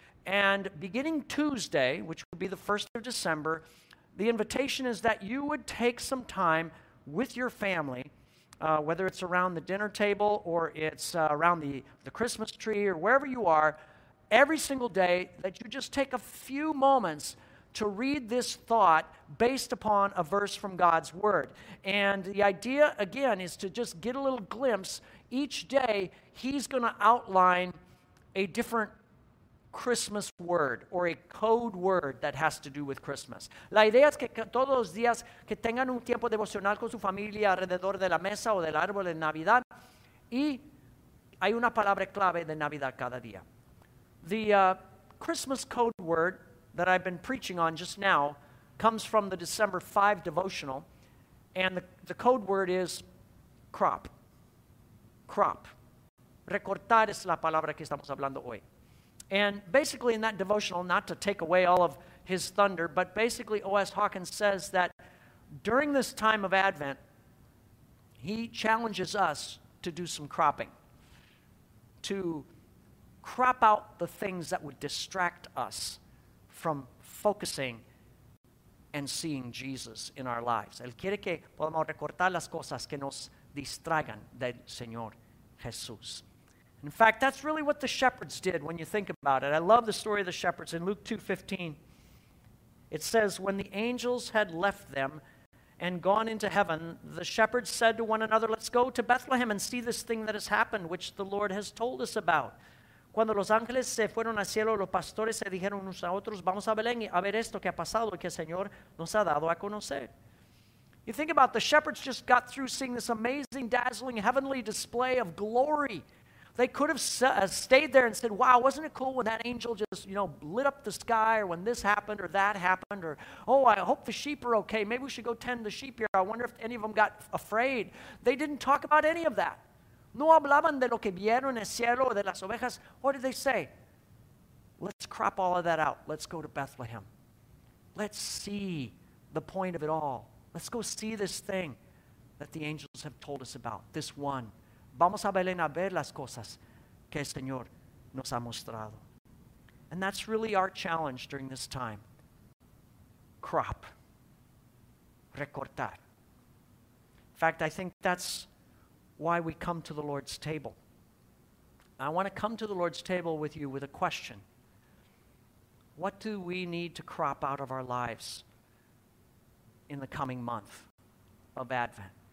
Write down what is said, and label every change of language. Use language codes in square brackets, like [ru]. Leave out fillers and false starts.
[en] And beginning Tuesday, which would be the 1st of December, the invitation is that you would take some time with your family, whether it's around the dinner table or it's around the Christmas tree or wherever you are, every single day, that you just take a few moments to read this thought based upon a verse from God's Word. And the idea, again, is to just get a little glimpse. Each day, he's going to outline a different Christmas word or a code word that has to do with Christmas. [es] La idea es que todos los días que tengan un tiempo devocional con su familia alrededor de la mesa o del árbol de Navidad, y hay una palabra clave de Navidad cada día. [en] The Christmas code word that I've been preaching on just now comes from the December 5 devotional, and the code word is crop. Crop. [es] Recortar es la palabra que estamos hablando hoy. [en] And basically in that devotional, not to take away all of his thunder, but basically O.S. Hawkins says that during this time of Advent, he challenges us to do some cropping, to crop out the things that would distract us from focusing and seeing Jesus in our lives. [es] Él quiere que podamos recortar las cosas que nos distraigan del Señor Jesús. [en] In fact, that's really what the shepherds did when you think about it. I love the story of the shepherds in Luke 2:15. It says, when the angels had left them and gone into heaven, the shepherds said to one another, let's go to Bethlehem and see this thing that has happened, which the Lord has told us about. [es] Cuando los ángeles se fueron al cielo, los pastores se dijeron unos a otros, vamos a Belén y a ver esto que ha pasado y que el Señor nos ha dado a conocer. [en] You think about it, the shepherds just got through seeing this amazing, dazzling, heavenly display of glory. They could have stayed there and said, wow, wasn't it cool when that angel just, you know, lit up the sky, or when this happened or that happened, or, oh, I hope the sheep are okay. Maybe we should go tend the sheep here. I wonder if any of them got afraid. They didn't talk about any of that. [es] No hablaban de lo que vieron en el cielo o de las ovejas. [en] What did they say? Let's crop all of that out. Let's go to Bethlehem. Let's see the point of it all. Let's go see this thing that the angels have told us about, this one. [es] Vamos a Belén a ver las cosas que el Señor nos ha mostrado. [en] And that's really our challenge during this time. Crop. Recortar. In fact, I think that's why we come to the Lord's table. I want to come to the Lord's table with you with a question. What do we need to crop out of our lives in the coming month of Advent?